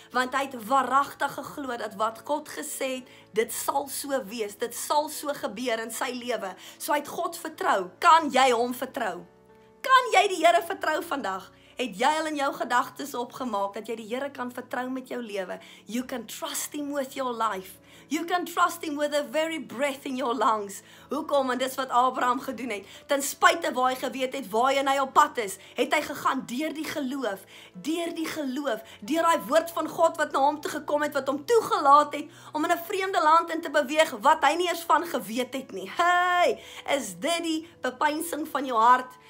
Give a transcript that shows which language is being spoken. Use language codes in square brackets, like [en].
[af] Want hy het waaragtig geglo dat wat God gesê het, dit sal so wees, dit sal so gebeur in sy lewe. So hy het God vertrou. Kan jy hom vertrou? Kan jy die Here vertrou vandag? Het jy al in jou gedagtes opgemaak dat jy die Here kan vertrou met jou lewe? [en] You can trust him with your life. You can trust him with a very breath in your lungs. [af] Hoekom? En dis wat Abraham gedoen het. Ten spyte waar hy geweet het waar hy en hy op pad is, het hy gegaan deur die geloof, deur daai woord van God wat na hom toe gekom het, wat hom toegelaat het om in 'n vreemde land in te beweeg wat hy nie eers van geweet het nie. Hey, is dit die bepeinsing van jou hart?